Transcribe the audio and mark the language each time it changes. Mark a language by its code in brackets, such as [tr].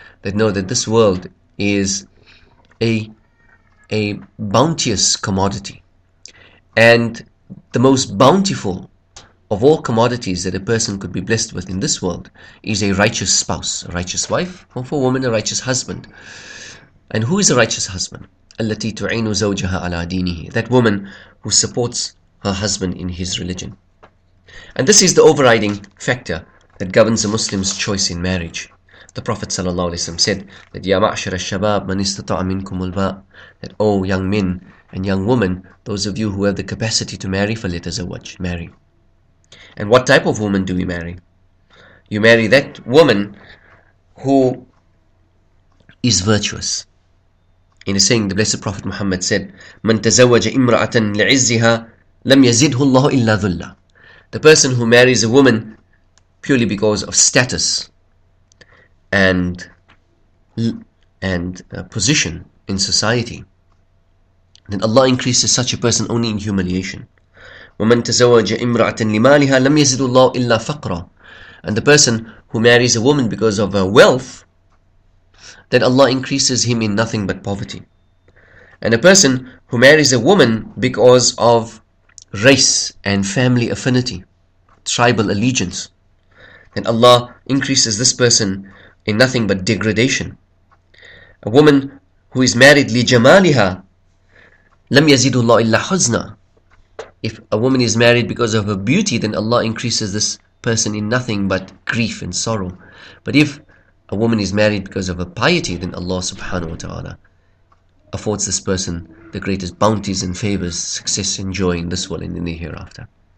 [en] That know that this world is a bounteous commodity, and the most bountiful of all commodities that a person could be blessed with in this world is a righteous spouse, a righteous wife, or for women, a righteous husband. And who is a righteous husband? [ar] التي تعين زوجها على دينه. [en] That woman who supports her husband in his religion. And this is the overriding factor that governs a Muslim's choice in marriage. The Prophet sallallahu alaihi wasallam said that [ar] يا معشر الشباب من استطاع منكم الباء, [en] that O young men and young women, those of you who have the capacity to marry, [ar] فليتزوج, [en] marry. And what type of woman do we marry? You marry that woman who is virtuous. In a saying, the Blessed Prophet Muhammad said, [ar] من تزوج امرأة لعزها لم يزده الله إلا ذلة. [en] The person who marries a woman purely because of status and position in society, then Allah increases such a person only in humiliation. [ar] ومن تزوج امرأة لمالها لم يزد الله إلا فقرا. [en] And the person who marries a woman because of her wealth, then Allah increases him in nothing but poverty. And a person who marries a woman because of race and family affinity, tribal allegiance, then Allah increases this person in nothing but degradation. A woman who is married [ar] لجمالها لم يزيد الله إلا حزنا. [en] If a woman is married because of her beauty, then Allah increases this person in nothing but grief and sorrow. But if a woman is married because of her piety, then Allah subhanahu wa ta'ala affords this person the greatest bounties and favors, success and joy in this world and in the hereafter.